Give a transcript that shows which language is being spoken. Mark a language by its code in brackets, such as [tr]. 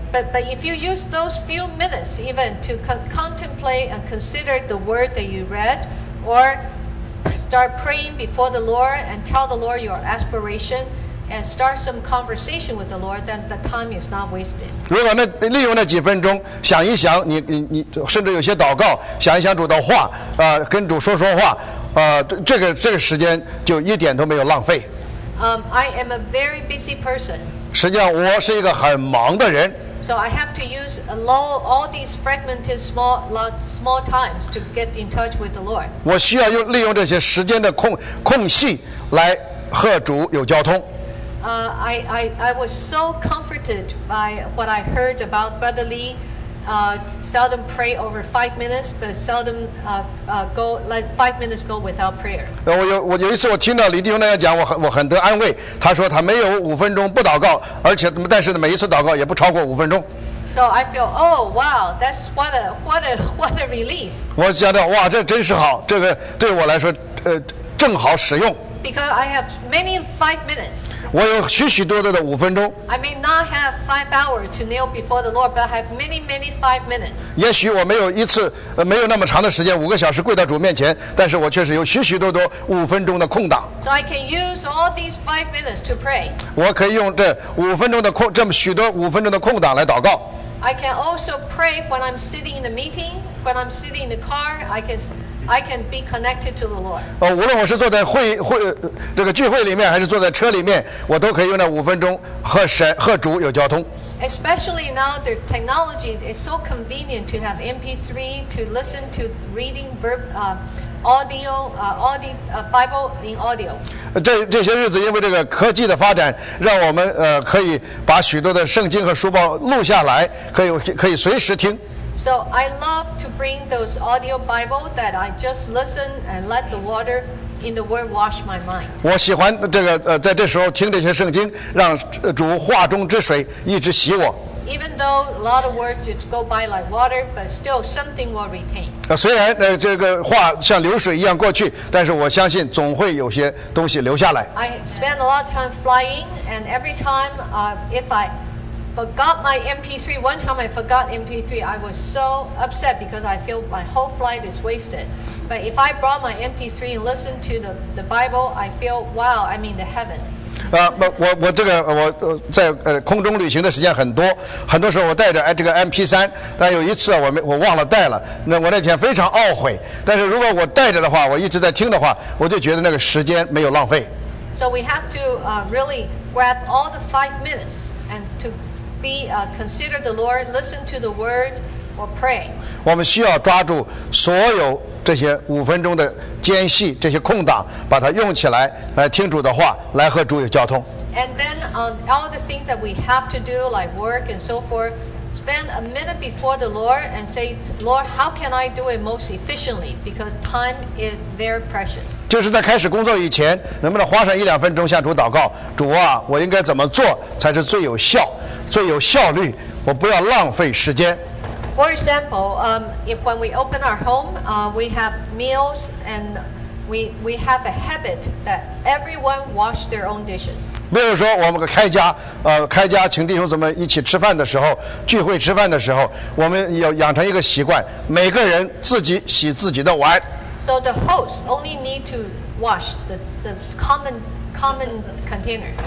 [en] But if you use those few minutes even to contemplate and consider the word that you read or start praying before the Lord and tell the Lord your aspiration and start some conversation with the Lord then the time is not wasted. [zh] 如果那利用那几分钟想一想你甚至有些祷告想一想主的话跟主说说话这个时间就一点都没有浪费。 [en] I am a very busy person. [zh] 实际上我是一个很忙的人。 [en] So I have to use all these fragmented small times to get in touch with the Lord. [zh] 我需要用利用这些时间的空隙来和主有交通。 [en] I was so comforted by what I heard about Brother Lee. Seldom pray over 5 minutes, but seldom let 5 minutes go without prayer. [zh] 我有一次我听到李弟兄那样讲，我很得安慰。他说他没有五分钟不祷告，而且但是每一次祷告也不超过五分钟。 [en] So I feel, oh wow, that's what a relief. [zh] 我觉得哇，这真是好，这个对我来说正好使用。 [en] Because I have many 5 minutes. [zh] 我有许许多多的五分钟。 [en] I may not have 5 hours to kneel before the Lord, but I have many, many 5 minutes. [zh] 也许我没有一次没有那么长的时间，五个小时跪到主面前，但是我确实有许许多多五分钟的空档。 [en] So I can use all these 5 minutes to pray. [zh] 我可以用这五分钟的空，这么许多五分钟的空档来祷告。 [en] I can also pray when I'm sitting in the meeting, when I'm sitting in the car. I can be connected to the Lord. [zh] 无论我是坐在这个聚会里面，还是坐在车里面，我都可以用那五分钟和主有交通。 [en] especially now the technology is so convenient to have MP3 to listen to reading verb, audio, Bible in audio. [zh] 这些日子，因为这个科技的发展，让我们可以把许多的圣经和书包录下来，可以随时听。 [en] So I love to bring those audio Bible that I just listen and let the water in the word wash my mind. [zh] 我喜欢这个在这时候听这些圣经，让主话中之水一直洗我。 [en] Even though a lot of words just go by like water, but still something will retain. [zh] 虽然这个话像流水一样过去，但是我相信总会有些东西留下来。 [en] I spend a lot of time flying, and every time, if I forgot my MP3, one time I forgot MP3, I was so upset because I feel my whole flight is wasted. But if I brought my MP3 and listened to the Bible, I feel, wow, I mean the heavens. [zh] 我这个我在空中旅行的时间很多，很多时候我带着这个 MP3， 但有一次我忘了带了，那我那天非常懊悔。但是如果我带着的话，我一直在听的话，我就觉得那个时间没有浪费。 [en] So we have to really grab all the 5 minutes and to be consider the Lord, listen to the word or pray. [zh] 我们需要抓住所有这些五分钟的间隙，这些空档，把它用起来，来听主的话，来和主有交通。 [en] And then on all the things that we have to do, like work and so forth, spend a minute before the Lord and say, Lord, how can I do it most efficiently? Because time is very precious. [zh] 就是在开始工作以前，能不能花上一两分钟向主祷告，主啊，我应该怎么做才是最有效、最有效率？我不要浪费时间。 [en] For example, if when we open our home, we have meals, and we have a habit that everyone wash their own dishes. [zh] 比如说，我们开家，开家请弟兄姊妹一起吃饭的时候，聚会吃饭的时候，我们要养成一个习惯，每个人自己洗自己的碗。 [en] So the host only need to wash the common container.